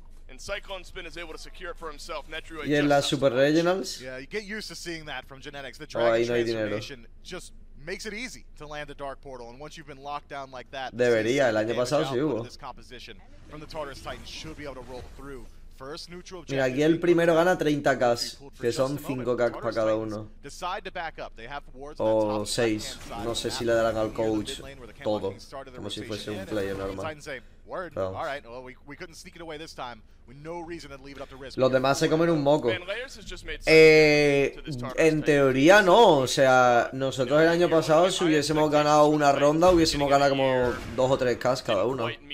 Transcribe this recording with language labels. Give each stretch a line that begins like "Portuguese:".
English: And Cyclone Spin is able to secure it for himself.
Spanish: Netruid just. Y en las Super Regionals.
English: Yeah, you get used to seeing that from Genetics. The Dragon transformation just makes it easy to land the Dark Portal. And once you've been locked down like that.
Spanish: Debería, el año pasado sí hubo.
English: This composition from the Tartarus Titan should be able to roll through. First neutral objective.
Spanish: Mira, aquí el primero gana 30 cas, que son 5 cas para cada uno.
English: Decide to back up. They have wards on top.
Spanish: O 6. No sé si le darán al coach todo, como si fuese un player normal.
English: Word. All right. Well, we couldn't sneak it away this time. With no reason to leave it up to risk.
Spanish: Los demás se comen un moco. En teoría no, o sea, nosotros el año pasado si hubiésemos ganado una ronda, hubiésemos ganado como 2 o 3 cas cada uno.